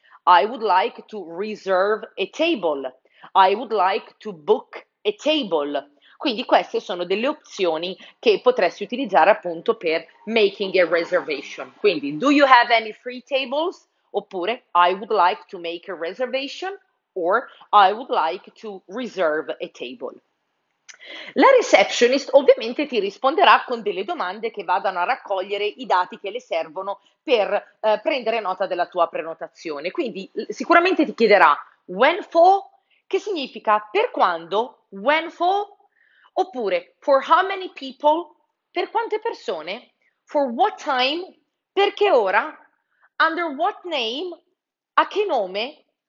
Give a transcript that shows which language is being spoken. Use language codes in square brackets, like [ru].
[en] I would like to reserve a table. I would like to book a table. [it] Quindi queste sono delle opzioni che potresti utilizzare appunto per [en] making a reservation. Quindi, do you have any free tables? Oppure I would like to make a reservation. Or I would like to reserve a table. [it] La receptionist ovviamente ti risponderà con delle domande che vadano a raccogliere i dati che le servono per prendere nota della tua prenotazione. Quindi sicuramente ti chiederà [en] when for, [it] che significa per quando, when for, oppure [en] for how many people, [it] per quante persone, [en] for what time, [it] per che ora, [en] under what name, [it] a che nome.